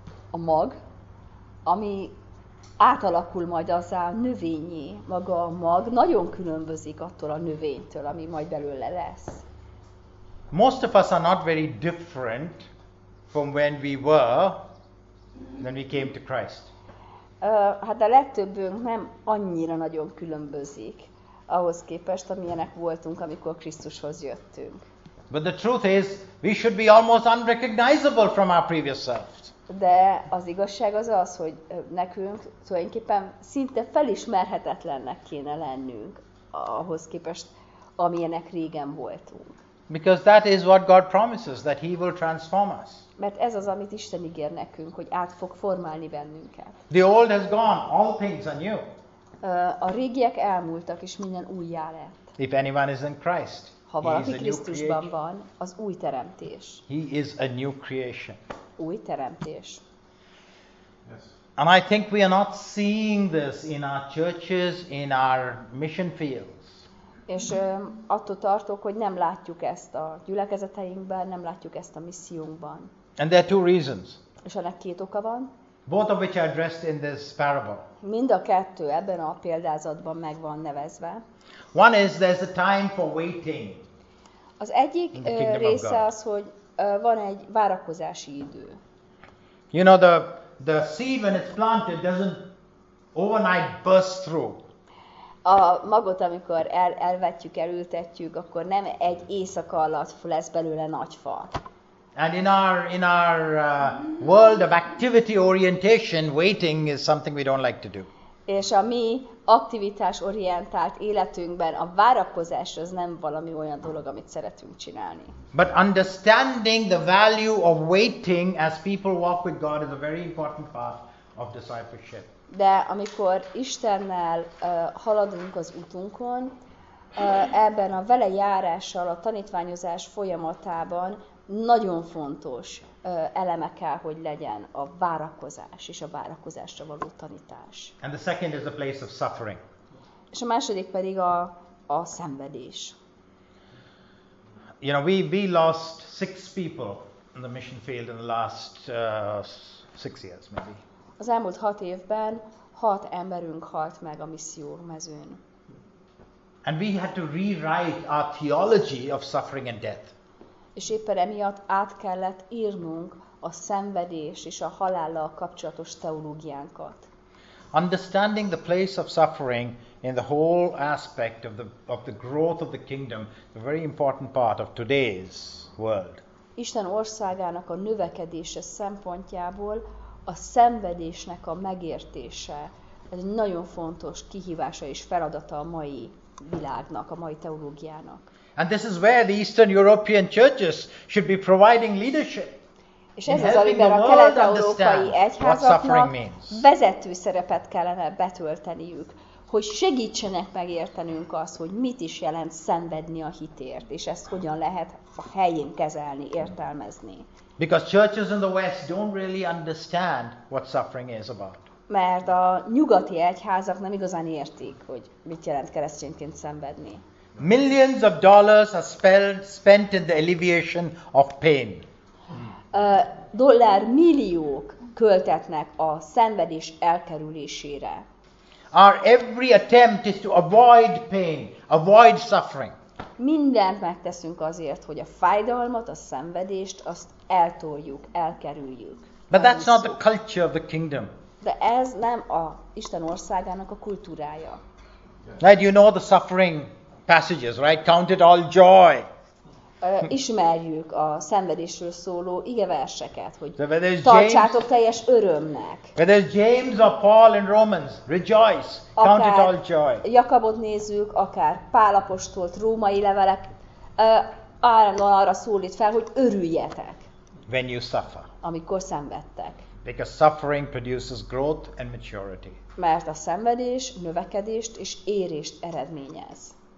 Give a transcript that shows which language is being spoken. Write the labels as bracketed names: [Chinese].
[Hungarian] A mag, ami átalakul majd az a növényi, maga a mag nagyon különbözik attól a növénytől, ami majd belőle lesz. [English] Most of us are not very different from when we were. Then we came to Christ. [Hungarian] Hát a legtöbbünk nem annyira nagyon különbözik ahhoz képest, amilyenek voltunk, amikor Krisztushoz jöttünk. [English] But the truth is, we should be almost unrecognizable from our previous selves. [Hungarian] De az igazság az az, hogy nekünk tulajdonképpen szinte felismerhetetlennek kéne lennünk ahhoz képest, amilyenek régen voltunk. [English] Because that is what God promises, that He will transform us. [Hungarian] Mert ez az, amit Isten ígér nekünk, hogy át fog formálni bennünket. [English] The old has gone, all things are new. [Hungarian] A régiek elmúltak, és minden újjá lett. [English] If anyone is in Christ, [Hungarian] ha valaki Krisztusban van, az új teremtés. [English] He is a new creation. [Hungarian] Új teremtés. [English] Yes. And I think we are not seeing this in our churches, in our mission fields. [Hungarian] És attól tartok, hogy nem látjuk ezt a gyülekezeteinkben, nem látjuk ezt a missziunkban. [English] And there are two reasons. [Hungarian] És ennek két oka van. [English] Both of which are addressed in this parable. [Hungarian] Mind a kettő ebben a példázatban meg van nevezve. [English] One is there's a time for waiting. [Hungarian] Az egyik része az, hogy van egy várakozási idő. [English] You know, the seed when it's planted doesn't overnight burst through. [Hungarian] A magot, amikor elvetjük, elültetjük, akkor nem egy éjszaka alatt lesz belőle nagy fa. [English] And in our world of activity orientation, waiting is something we don't like to do. [Hungarian] És a mi aktivitás orientált életünkben a várakozás az nem valami olyan dolog, amit szeretünk csinálni. [English] But understanding the value of waiting as people walk with God is a very important part of discipleship. [Hungarian] De amikor Istennel haladunk az utunkon, ebben a vele járással, a tanítványozás folyamatában nagyon fontos eleme kell, hogy legyen a várakozás és a várakozásra való tanítás. [English] And the second is the place of suffering. [Hungarian] És a második pedig a szenvedés. [English] You know, we lost 6 people in the mission field in the last 6 years maybe. [Hungarian] Az elmúlt 6 évben 6 emberünk halt meg a misszió mezőn. [English] And we had to rewrite our theology of suffering and death. [Hungarian] És éppen emiatt át kellett írnunk a szenvedés és a halállal kapcsolatos teológiánkat. [English] Understanding the place of suffering in the whole aspect of the growth of the kingdom, a very important part of today's world. [Hungarian] Isten országának a növekedése szempontjából a szenvedésnek a megértése, ez egy nagyon fontos kihívása és feladata a mai világnak, a mai teológiának. [English] And this is where the Eastern European churches should be providing leadership. [Hungarian] És ez az, amiben a kelet-európai egyházaknak vezető szerepet kellene betölteniük, hogy segítsenek megértenünk azt, hogy mit is jelent szenvedni a hitért, és ezt hogyan lehet a helyén kezelni, értelmezni. [English] Because churches in the West don't really understand what suffering is about. [Hungarian] Mert a nyugati egyházak nem igazán értik, hogy mit jelent keresztényként szenvedni. [English] Millions of dollars are spent in the alleviation of pain. [Hungarian] Dollár milliók költetnek a szenvedés elkerülésére. [English] Our every attempt is to avoid pain, avoid suffering. [Hungarian] Mindent megteszünk azért, hogy a fájdalmat, a szenvedést, azt eltoljuk, elkerüljük. [English] But that's not the culture of the kingdom. [Hungarian] De ez nem a Isten országának a kultúrája. [English] Right, you know the suffering passages, right? Count it all joy. [Hungarian] Ismerjük a szenvedésről szóló igeverseket, hogy tartsátok teljes örömnek. [English] Whether it's James or Paul in Romans, rejoice, [Hungarian] akár [English] count it all joy. [Hungarian] Jakabot nézzük, akár Pál apostolt, római levelek, állandóan arra szólít fel, hogy örüljetek. [English] When you suffer. [Hungarian] Amikor szenvedtek. [English] Because suffering produces growth and maturity. [Hungarian] Mert a szenvedés növekedést és érést eredményez.